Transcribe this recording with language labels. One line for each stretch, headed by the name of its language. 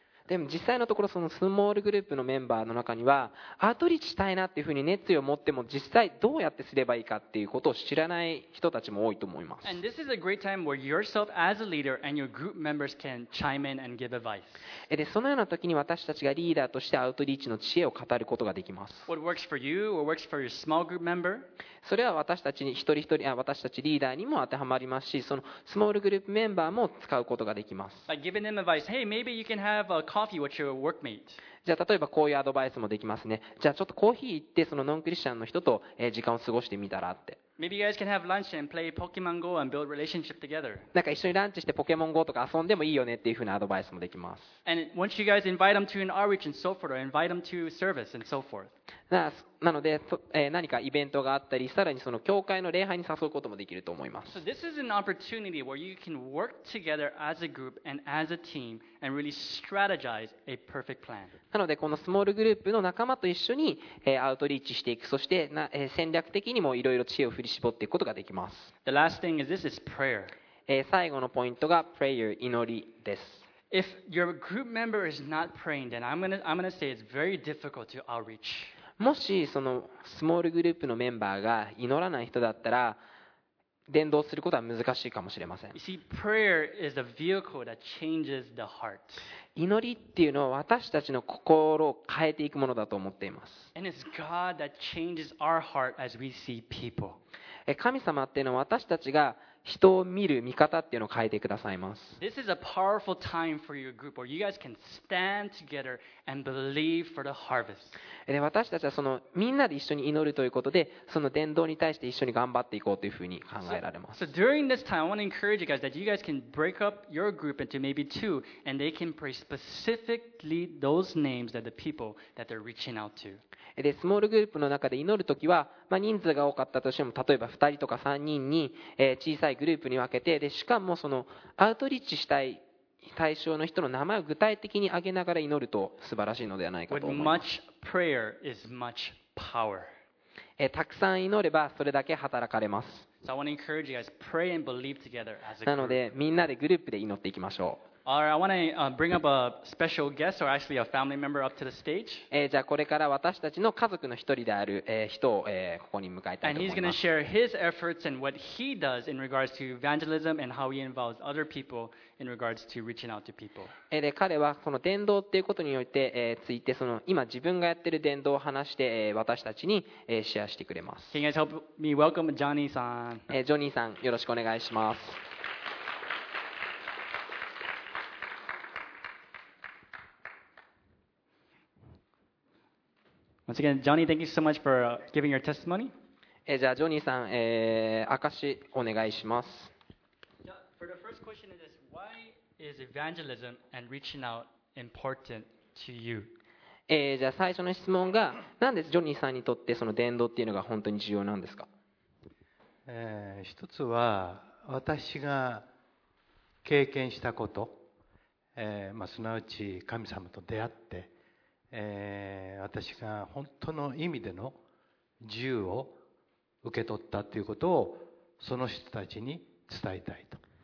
Japanese: でも実際のところそのスモールグループのメンバーの中にはアウトリーチしたいなっていうふうに熱意を持っても実際どうやってすればいいかっていうことを知らない人たちも多いと思います。
English: And this is a great time where yourself as a leader and your group members can chime in and give advice.
Japanese: でそのような時に私たちがリーダーとしてアウトリーチの知恵を語ることができます。
English: What works for you or works for your small group member?
Japanese: それは私たちに一人一人、私たちリーダーにも当てはまりますし、そのスモールグループメンバーも使うことができます。
English: By giving them advice, hey, maybe you can have a coffee with your workmate.
Japanese: じゃあ例えばこういうアドバイスもできますね。じゃあちょっとコーヒー行ってそのノンクリスチャンの人と時間を過ごしてみたらって。
English: Maybe you guys can have lunch and play Pokemon Go and build relationship together.
Japanese: なんか一緒にランチしてポケモン GO とか遊んでもいいよねっていう風なアドバイスもできます。
English: And once you guys invite them to an outreach and so forth, or invite them to service and so forth.
Japanese: なので、何かイベントがあったり、さらにその教会の礼拝に誘うこともできると思います。
English: So this is an opportunity where you can work together as a group and as a team and really strategize a perfect plan.
Japanese: なのでこのスモールグループの仲間と一緒にアウトリーチしていく、そして戦略的にもいろいろ知恵を振り絞っていくことができます。
English: The last thing is this is prayer.
Japanese: 最後のポイントが prayer 祈りです。
English: If your group member is not praying, then I'm gonna say it's very difficult to outreach.
Japanese: もしそのスモールグループのメンバーが祈らない人だったら伝道することは難しいかもしれません。
English: You see, prayer is a vehicle that changes the heart.
Japanese: 祈りっていうのは私たちの心を変えていくものだと思っています。
English: And it's God that changes our heart as we see people.
Japanese: 神様っていうのは私たちが人を見る見方っていうのを変えてくださいます。
English: This is a powerful time for your group where you guys can stand together and believe for the harvest.
Japanese: 私たちはそのみんなで一緒に祈るということで、その伝道に対して一緒に頑張っていこうというふうに考えられます。
English: So during this time, I want to encourage you guys that you guys can break up your group into maybe two and they can pray specifically those names that the people that they're reaching out to.
Japanese: でスモールグループの中で祈るときは、人数が多かったとしても例えば2人とか3人に、小さいグループに分けて、でしかもそのアウトリーチしたい対象の人の名前を具体的に挙げながら祈ると素晴らしいのではないかと思います。
English: With much prayer is much power.
Japanese: たくさん祈ればそれだけ働かれます。
English: So I want to encourage you guys, pray and believe together as a group.
Japanese: なのでみんなでグループで祈っていきましょう。
English: Alright, I want to bring up a special guest or actually a family member up to the stage.
Japanese: じゃあこれから私たちの家族の一人である人をここに迎えたいと思います。
English: And he's going to share his efforts and what he does in regards to evangelism and how he involves other people in regards to reaching out to people.
Japanese: で彼はその伝道っていうことによって、ついてその今自分がやってる伝道を話して、私たちに、シェアしてくれます。
English: Can you guys help me welcome Johnny さん？
Japanese: ジョニーさん、よろしくお願いします。
English: Once again, Johnny, thank you so much for giving your testimony.
Japanese: じゃあジョニーさん、証しお願いします。
English: For the first question is this, why is evangelism and reaching out important to you?
Japanese: じゃあ最初の質問が、なんでジョニーさんにとってその伝道っていうのが本当に重要なんですか？一つは私が経験したこと、すなわち神様と出会って私が本当の意味での自由を受け取ったということをその人たちに伝えたいと。